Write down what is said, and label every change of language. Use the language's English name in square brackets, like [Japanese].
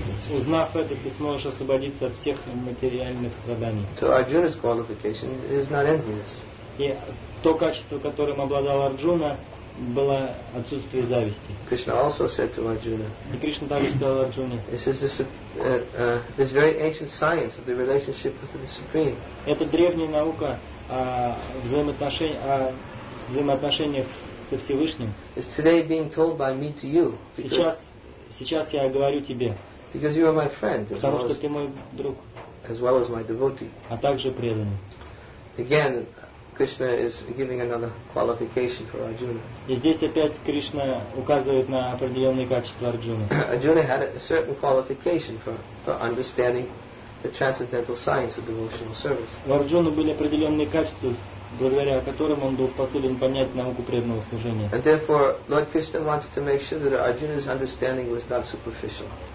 [Russian] Узнав это, ты сможешь освободиться от всех материальных страданий. [English] So Arjuna's qualification is not envious. [Russian] И то качество, которым обладал Арджуна, было отсутствие зависти. [English] Krishna also said to Arjuna. [Russian] И Кришна также сказал Арджуне. [English] This is this very ancient science of the relationship with the Supreme. [Russian] Это древняя наука о взаимоотношениях со Всевышним. [English] It's today being told by me to you. [Russian] Сейчас я говорю тебе. [English] Because you are my friend. [Russian] Потому что ты мой друг. [English] As well as my devotee. [Russian] А также преданный. [English] Again. Krishna is giving another qualification for Arjuna. [Russian] И здесь опять Кришна указывает на определенные качества Арджуны. [English] Arjuna had a certain qualification for understanding the transcendental science of devotional service. [Russian] У Арджуны были определенные качества, благодаря которым он был способен понять науку преданного служения. [English] And therefore, Lord Krishna wanted to make sure that Arjuna's understanding was not superficial.